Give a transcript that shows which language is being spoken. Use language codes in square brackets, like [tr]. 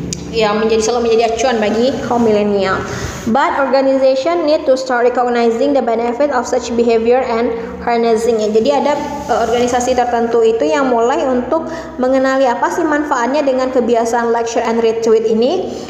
[id] yang menjadi selalu menjadi acuan bagi kaum milenial. [en] But organization need to start recognizing the benefit of such behavior and harnessing it. [id] Jadi ada organisasi tertentu itu yang mulai untuk mengenali apa sih manfaatnya dengan kebiasaan [en] lecture and retweet [id] ini.